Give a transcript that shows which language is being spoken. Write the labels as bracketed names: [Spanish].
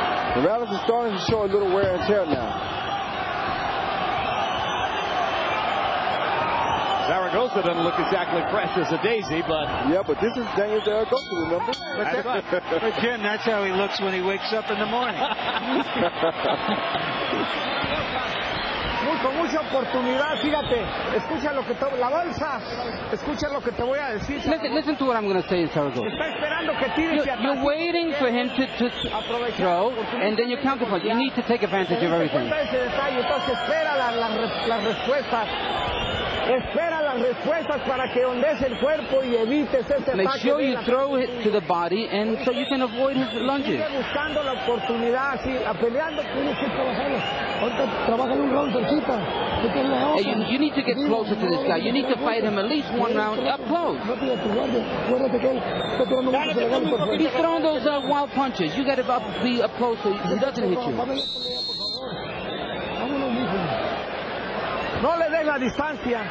[English] Morales is starting to show a little wear and tear now. Zaragoza doesn't look exactly fresh as a daisy, but... Yeah, but this is Daniel Zaragoza, remember? But Jim, that's how he looks when he wakes up in the morning. [Spanish] Con mucha oportunidad, fíjate, escucha lo que te... La balsa, escucha lo que te voy a decir. [English] Listen to what I'm going to say in Zaragoza. [Spanish] Está esperando que tires y ataque. [English] You're waiting for him to throw, and then you counterpunch. You need to take advantage of everything. [Spanish] Entonces espera las respuestas. Espera las respuestas para que ondes el cuerpo y evites este ataque. [English] Make sure you throw it to the body, and so you can avoid his lunges. [Spanish] Sigue buscando la oportunidad, así, peleando, tienes que trabajarlo. Ahorita trabaja un round. [English] Hey, you need to get closer to this guy. You need to fight him at least one round up close. He's throwing those wild punches. You got to be up close so he doesn't hit you. [Spanish] No le des la distancia.